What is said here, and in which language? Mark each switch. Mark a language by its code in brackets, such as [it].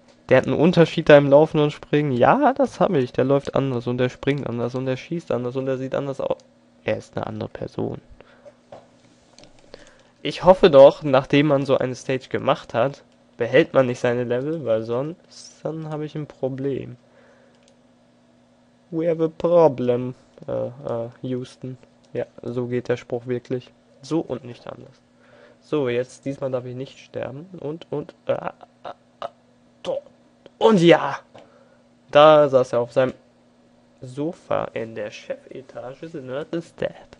[de] Der hat einen Unterschied da im Laufen und Springen. Ja, das habe ich. Der läuft anders und der springt anders und der schießt anders und der sieht anders aus. Er ist eine andere Person. Ich hoffe doch, nachdem man so eine Stage gemacht hat, behält man nicht seine Level, weil sonst dann habe ich ein Problem. [en] We have a problem, Houston. [de] Ja, so geht der Spruch wirklich. So und nicht anders. So, jetzt diesmal darf ich nicht sterben. Und ja! Da saß er auf seinem Sofa in der Chefetage. [en] Nerd is dead.